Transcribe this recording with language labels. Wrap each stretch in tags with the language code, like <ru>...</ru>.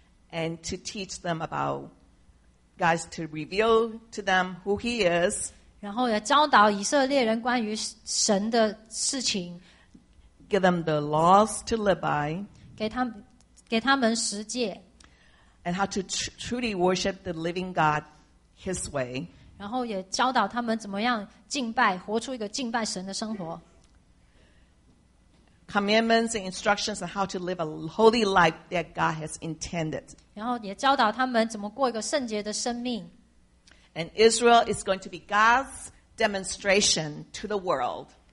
<en>and to teach them about God, to reveal to them who he is.</en> <zh>然后也教导以色列人关于神的事情,</zh> <en>give them the laws to live by,</en> <zh>给他们十诫,</zh> <en>and how to truly worship the living God his way.</en> <zh>然后也教导他们怎么样敬拜，活出一个敬拜神的生活。</zh> <en>Commandments and instructions on how to live a holy life that God has intended.</en> <zh>然后也教导他们怎么过一个圣洁的生命。</zh> <en>And Israel is going to be God's demonstration to the world.</en>